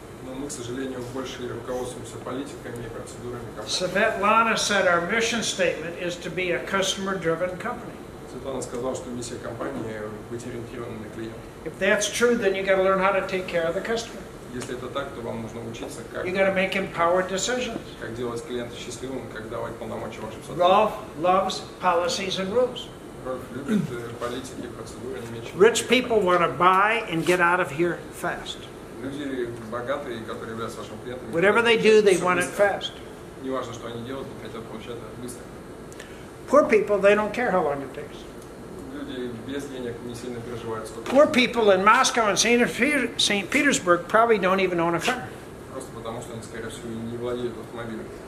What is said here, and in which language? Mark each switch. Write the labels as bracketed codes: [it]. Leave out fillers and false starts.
[ru] Но мы, к сожалению, больше руководствуемся политиками и процедурами компании. [en] Светлана said our mission statement is to be a customer-driven company. [ru] Светлана сказала, что миссия компании быть ориентированной на клиента. [en] If that's true, then you got to learn how to take care of the customer. [ru] Если это так, то вам нужно учиться как. [en] You got to make empowered decisions. [ru] Как делать клиента счастливым, как давать полномочия вашим сотрудникам. [en] Rolf loves policies and rules. [ru] Рольф любит политики и процедуры, не меньше. [en] Rich people want to buy and get out of here fast. [ru] Люди богатые, которые являются вашим клиентом. [en] Whatever they do, they want it fast. [ru] Не важно, что они делают, они хотят получать это быстро. [en] Poor people, they don't care how long it takes. [ru] Люди без денег не сильно переживают. [en] Poor people in Moscow and St. Петербург probably don't even own a car. [ru] Просто потому, что они, скорее всего, не владеют автомобилем.